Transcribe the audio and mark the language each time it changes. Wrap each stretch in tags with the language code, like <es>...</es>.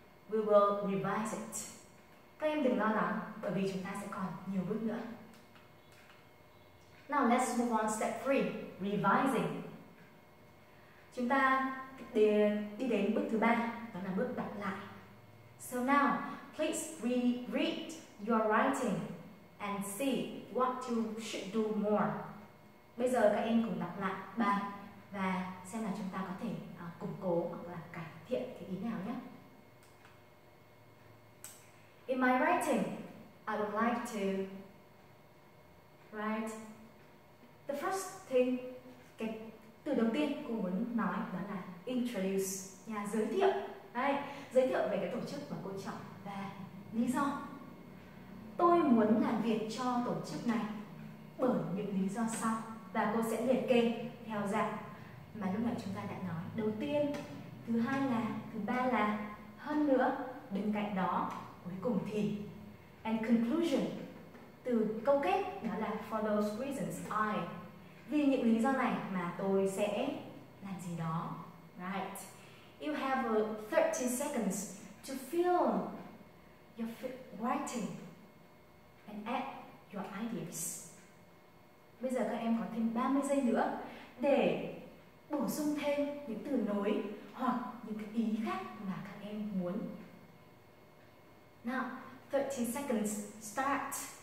<en>We will revise it.</en> <vi>Các em đừng lo lắng, bởi vì chúng ta sẽ còn nhiều bước nữa.</vi> <en>Now let's move on step 3, revising.</en> <vi>Chúng ta đi đến bước thứ 3, đó là bước đọc lại.</vi> <en>So now, please reread your writing and see what you should do more.</en> <vi>Bây giờ các em cùng đọc lại bài và xem là chúng ta có thể củng cố hoặc là cải thiện cái ý nào nhé.</vi> <en>In my writing, I would like to write the first thing,</en> <vi>cái từ đầu tiên cô muốn nói đó là introduce, nhà giới thiệu. Đấy, giới thiệu về cái tổ chức mà cô chọn và lý do. Tôi muốn làm việc cho tổ chức này bởi những lý do sau. Và cô sẽ liệt kê theo dạng mà lúc nãy chúng ta đã nói. Đầu tiên, thứ hai là, thứ ba là, hơn nữa, bên cạnh đó, cuối cùng thì,</vi> <en>and conclusion,</en> <vi>từ câu kết, đó là</vi> <en>for those reasons I.</en> <vi>Vì những lý do này mà tôi sẽ làm gì đó.</vi> <en>Right. You have 30 seconds to fill your writing and add your ideas.</en> <vi>Bây giờ các em có thêm 30 giây nữa để bổ sung thêm những từ nối hoặc những cái ý khác mà các em muốn.</vi> <en>Now, 30 seconds start.</en>